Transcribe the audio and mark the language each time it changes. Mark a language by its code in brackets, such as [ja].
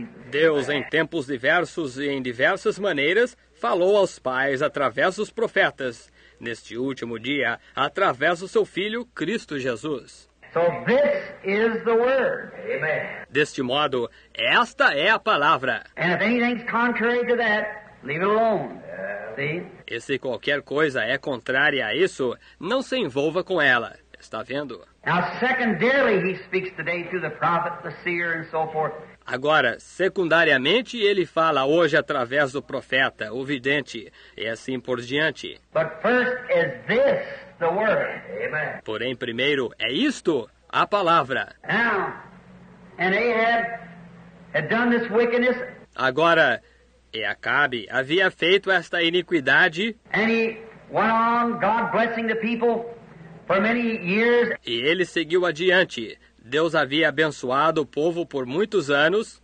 [pt] Deus, em tempos diversos e em diversas maneiras, falou aos pais através dos profetas, neste último dia, através do seu Filho, Cristo Jesus. [en] So this is the word. Amen. [pt] Deste modo, esta é a palavra. [en] And if anything's contrary to that, leave it alone. See? [pt] E se qualquer coisa é contrária a isso, não se envolva com ela. Está vendo? [en] Now, secondarily, he speaks today to the prophet, the seer, and so forth. [pt] Agora, secundariamente, ele fala hoje através do profeta, o vidente, e assim por diante. [en] But first is this. The word. Amen. [pt] Porém, primeiro, é isto, a palavra. [en] Now, and Ahab had done this wickedness. [pt] Agora, e Acabe havia feito esta iniquidade. [en] And he went on, God blessing the people for many years. [pt] E ele seguiu adiante. Deus havia abençoado o povo por muitos anos.